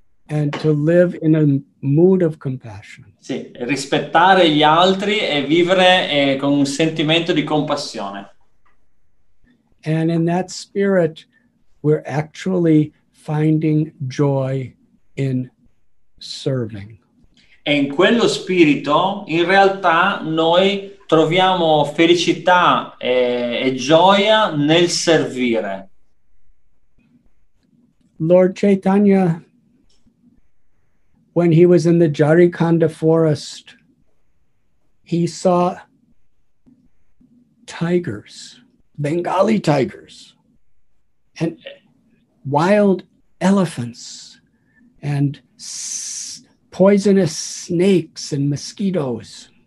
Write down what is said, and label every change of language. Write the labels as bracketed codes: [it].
[en] And to live in a mood of compassion. [it] Sì, rispettare gli altri e vivere con un sentimento di compassione. [en] And in that spirit, we're actually finding joy in serving. [it] E in quello spirito, in realtà, noi troviamo felicità e gioia nel servire. [en] Lord Chaitanya, when he was in the Jarikanda forest, he saw tigers, Bengali tigers, and wild elephants and poisonous snakes and mosquitoes.